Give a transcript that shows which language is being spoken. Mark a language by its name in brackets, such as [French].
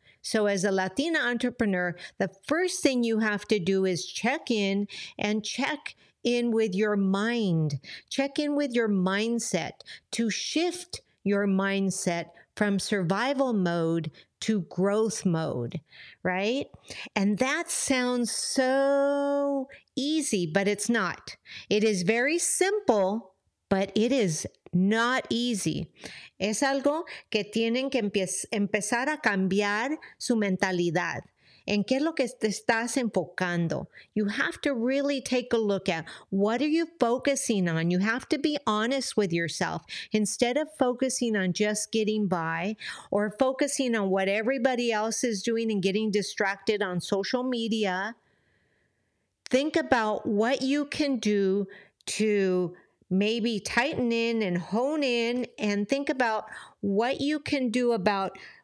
[English] So as a Latina entrepreneur, the first thing you have to do is check in and check in with your mind, check in with your mindset to shift your mindset from survival mode to growth mode, right? And that sounds so easy, but it's not. It is very simple, but it is not easy. [Spanish] Es algo que tienen que empezar a cambiar su mentalidad. ¿En qué es lo que te estás enfocando? [English] You have to really take a look at what are you focusing on? You have to be honest with yourself. Instead of focusing on just getting by or focusing on what everybody else is doing and getting distracted on social media, think about what you can do to maybe tighten in and hone in and think about what you can do about